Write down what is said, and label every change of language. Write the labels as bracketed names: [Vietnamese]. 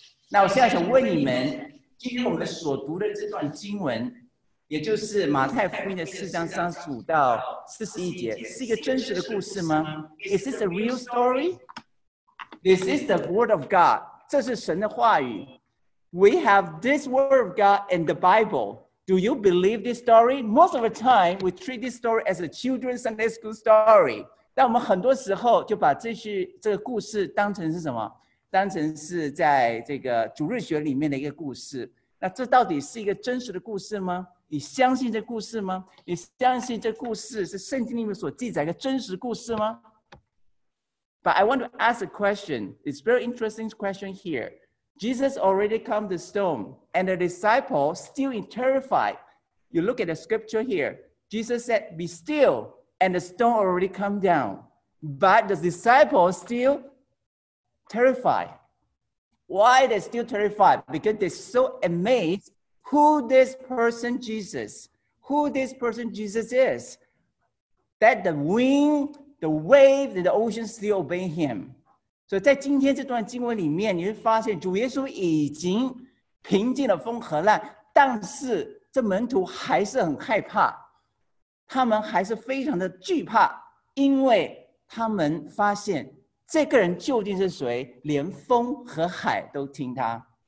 [Chinese] 那我现在想问你们，今天我们所读的这段经文，也就是马太福音的四章三十五到四十一节，是一个真实的故事吗？ [English] Is this a real story? This is the word of God. [Chinese] 这是神的话语。 [English] We have this word of God in the Bible. Do you believe this story? Most of the time, we treat this story as a children's Sunday school story. [Chinese] 但我们很多时候就把这个故事当成是什么？当成是在这个主日学里面的一个故事。那这到底是一个真实的故事吗？你相信这故事吗？你相信这故事是圣经里面所记载的真实故事吗？ [English] But I want to ask a question. It's very interesting question here. Jesus already calmed the storm, and the disciples still terrified. You look at the scripture here. Jesus said, "Be still," and the storm already calmed down. But the disciples still terrified. Why they still terrified? Because they're so amazed. Who this person Jesus is, that the wind, the wave, and the ocean still obey him. [Chinese] 所以在今天这段经文里面，你会发现主耶稣已经平静了风和浪，但是这门徒还是很害怕，他们还是非常的惧怕，因为他们发现这个人究竟是谁，连风和海都听他。